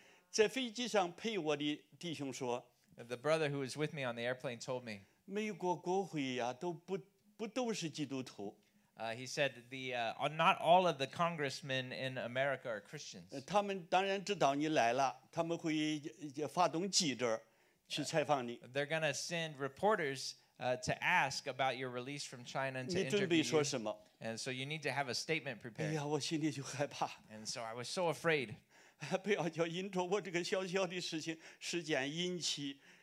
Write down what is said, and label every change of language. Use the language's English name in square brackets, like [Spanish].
[Chinese] 在飞机上陪我的弟兄说 [English] The brother who was with me on the airplane told me, [Chinese] 美国国会呀，都不是基督徒。 [English] He said the not all of the congressmen in America are Christians. [Chinese] 他们当然知道你来了，他们会发动记者去采访你。 [English] They're gonna send reporters to ask about your release from China to interview you. [Chinese] 你准备说什么 [English] ？And so you need to have a statement prepared. [Chinese] 哎呀，我心里就害怕。 [English] And so I was so afraid. [Chinese] 不要叫引出我这个小小的事情，事件引起。